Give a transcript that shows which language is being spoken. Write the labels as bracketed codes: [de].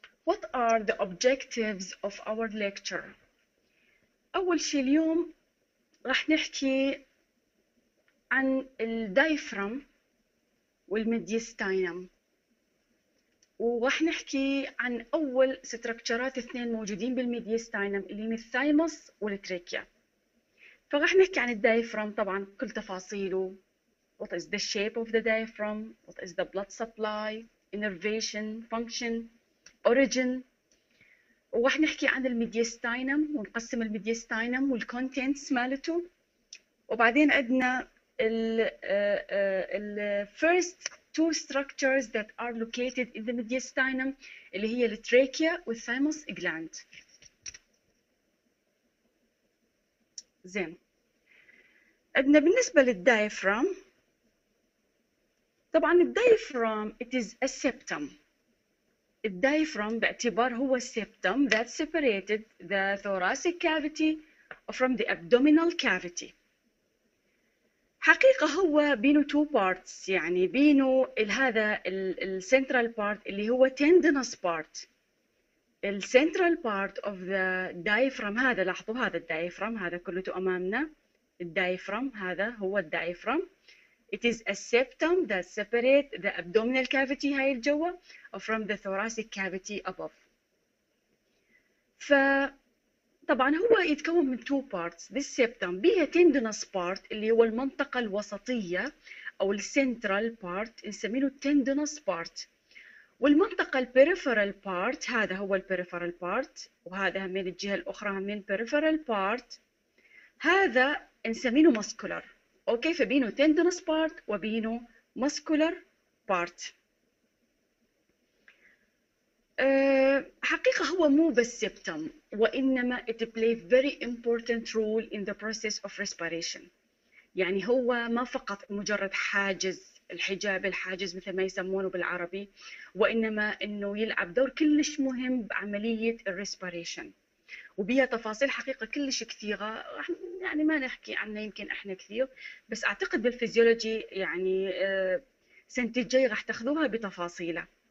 [en] What are the objectives of our lecture? [ar] أول شيء اليوم راح نحكي عن الدايفرام والميديستاينم، وراح نحكي عن أول ستركتشرات اثنين موجودين بالميديستاينم اللي هي الثايموس والتريكيا. فراح نحكي عن الدايفرام طبعا كل تفاصيله. [en] What is the shape of the diaphragm? What is the blood supply? Innervation, function, origin. [ar] وراح نحكي عن الميديستاينم ونقسم الميديستاينم والكونتينتس مالته. وبعدين عندنا ال [en] first two structures that are located in the mediastinum [ar] اللي هي التراكيا والثايموس جلاند. زين، عندنا بالنسبة للدايفرام، طبعا الدايفرام [en] it is a septum. [ar] الدايفرام باعتبار هو [en] septum that separated the thoracic cavity from the abdominal cavity. [ar] حقيقة هو بينه [en] two parts، [ar] يعني بينه هذا ال central part اللي هو tendinous part. ال central part of the diaphragm، هذا لاحظوا هذا الدايفرام، هذا كله أمامنا الدايفرام، هذا هو الدايفرام. [en] It is a septum that separates the abdominal cavity [ar] هاي الجوة [en] from the thoracic cavity above. [ar] ف طبعا هو يتكون من [en] two parts. This septum [ar] بيها tendinous part اللي هو المنطقة الوسطية أو central part نسمينه tendinous part، والمنطقة peripheral part هذا هو peripheral part، وهذا من الجهة الأخرى من peripheral part هذا نسمينه muscular. أوكي، فبينه tendinous part وبينه muscular part. حقيقة هو مو بس [en] septum، وإنما it plays very important role in the process of respiration. [ar] يعني هو ما فقط مجرد حاجز، الحجاب الحاجز مثل ما يسمونه بالعربي، وإنما إنه يلعب دور كلش مهم بعملية respiration. وبيها تفاصيل حقيقة كلش كثيرة، يعني ما نحكي عنها يمكن إحنا كثير، بس أعتقد بالفيزيولوجي يعني السنة الجاية راح تاخذوها بتفاصيلها.